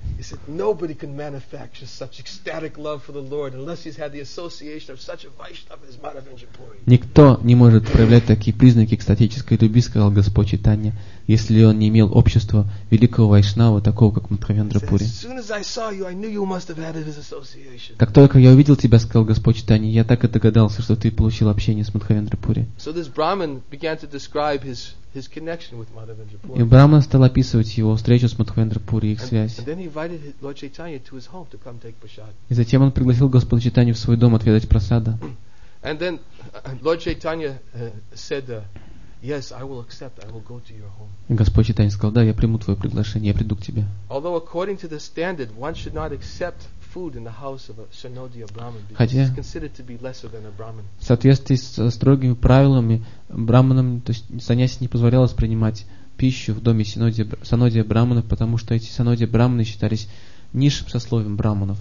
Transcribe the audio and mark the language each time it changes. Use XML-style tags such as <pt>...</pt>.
<en>He said, nobody can manufacture such ecstatic love for the Lord unless he's had the association of such a Vaishnava as Madhavendra Puri.</en> <ru>Никто не может проявлять такие признаки экстатической любви, сказал Господь Чайтанья, если он не имел общества великого Вайшнава, такого как Мадхавендра Пури.</ru> <en>As soon as I saw you, I knew you must have had his association.</en> <ru>Как только я увидел тебя, сказал Господь Чайтанья, я так и догадался, что ты получил общение с Мадхавендра Пури.</ru> <en>So this Brahmin began to describe his connection with Madhavendra Puri.</en> <ru>И Брахман стал описывать его встречу с Мадхавендра Пури, их связь.</ru> <en>And then he invited Lord Chaitanya to his home to come take prasad.</en> <ru>И затем он пригласил Господа Чайтанью в свой дом отведать прасада.</ru> <en>And then Lord Chaitanya said, "Yes, I will accept. I will go to your home."</en> <ru>И Господь Чайтанья сказал: "Да, я приму твое приглашение, я приду к тебе."</ru> <en>Although according to the standard, one should not accept food in the house of a Sanodiya Brahmin because he's considered to be lesser than a Brahmin.</en> <ru>В соответствии со строгими правилами Брахманам, то есть саньяси, не позволялось принимать пищу в доме Санодия Брахманов, потому что эти Санодия Брахманы считались низшим сословием Брахманов.</ru>